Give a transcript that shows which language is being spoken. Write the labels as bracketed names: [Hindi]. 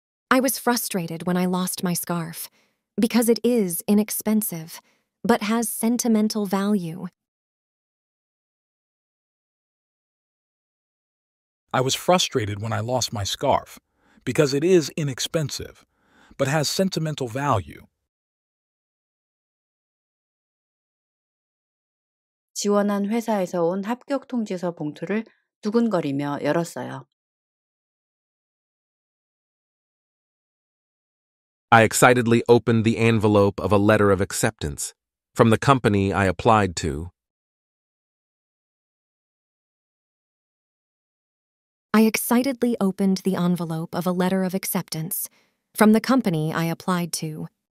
[English] I was frustrated when I lost my scarf because it is inexpensive but has sentimental value. I was frustrated when I lost my scarf because it is inexpensive but has sentimental value. [Korean] 지원한 회사에서 온 합격 통지서 봉투를 두근거리며 열었어요. [English] I excitedly opened the envelope of a letter of acceptance from the company I applied to. I excitedly opened the envelope of a letter of acceptance from the company I applied to.